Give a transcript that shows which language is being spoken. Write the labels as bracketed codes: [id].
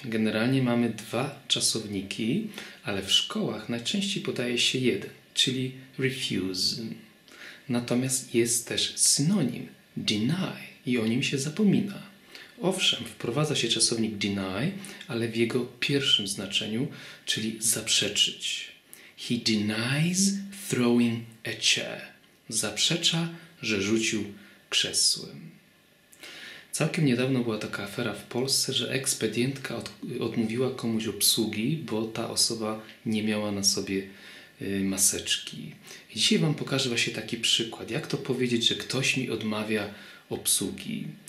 [pl] Generalnie mamy dwa czasowniki, ale w szkołach najczęściej podaje się jeden, czyli refuse. Natomiast jest też synonim deny i o nim się zapomina. Owszem, wprowadza się czasownik deny, ale w jego pierwszym znaczeniu, czyli zaprzeczyć. [en] He denies throwing a chair. [pl] Zaprzecza, że rzucił krzesłem. Całkiem niedawno była taka afera w Polsce, że ekspedientka odmówiła komuś obsługi, bo ta osoba nie miała na sobie maseczki. Dzisiaj Wam pokażę właśnie taki przykład. Jak to powiedzieć, że ktoś mi odmawia obsługi?